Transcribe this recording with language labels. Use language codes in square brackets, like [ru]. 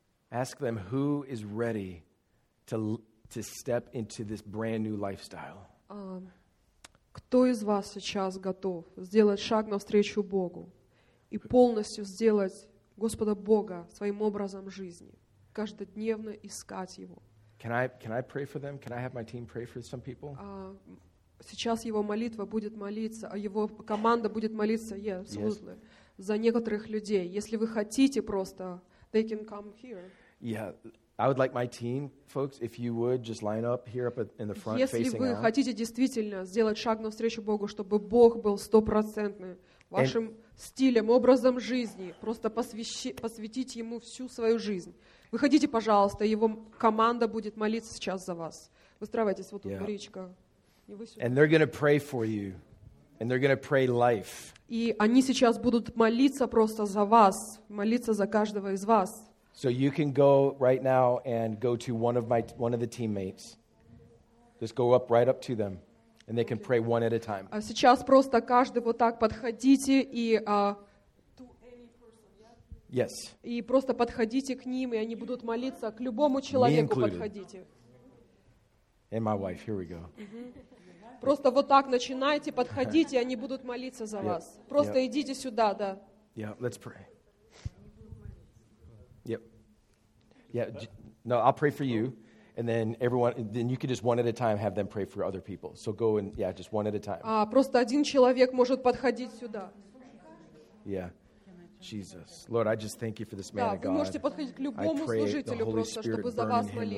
[en] Ask them who is ready to step into this brand new lifestyle. [ru] Кто из вас сейчас готов сделать шаг навстречу Богу и полностью сделать Господа Бога своим образом жизни, каждодневно искать Его? [en] Can I pray for them? Can I have my team pray for some people? [ru] Сейчас его молитва будет молиться, а его команда будет молиться, [en] yes, yes. [ru] Узлы, за некоторых людей. Если вы хотите просто, [en] they can come here. Yeah. I would like my team, folks, if you would just line up here up in the front, [ru] если [en] facing out. [ru] Если вы хотите действительно сделать шаг навстречу Богу, чтобы Бог был стопроцентным вашим стилем, образом жизни, просто посвятить ему всю свою жизнь. Выходите, пожалуйста, его команда будет молиться сейчас за вас. Выстраивайтесь вот тут, Маричка. [en] And they're going to pray for you. And they're going to pray life. [ru] И они сейчас будут молиться просто за вас, молиться за каждого из вас. [en] So you can go right now and go to one of the teammates. Just go up right up to them, and they can pray one at a time. [ru] Сейчас просто каждый вот так подходите и [en] to any person, yeah? Yes. [ru] И просто подходите к ним, и они будут молиться к любому человеку. Подходите. [en] And my wife. Here we go. [ru] Просто вот так начинайте, подходите, и они будут молиться за вас. Просто идите сюда, да. [en] Yeah. Let's pray. Yep. Yeah. No, I'll pray for you, and then everyone. And then you can just one at a time have them pray for other people. So go and yeah, just one at a time. [ru] Просто один человек может подходить сюда. [en] Yeah. Jesus, Lord, I just thank you for this man of God. [ru] Да, вы можете подходить к любому служителю просто, чтобы за вас молились.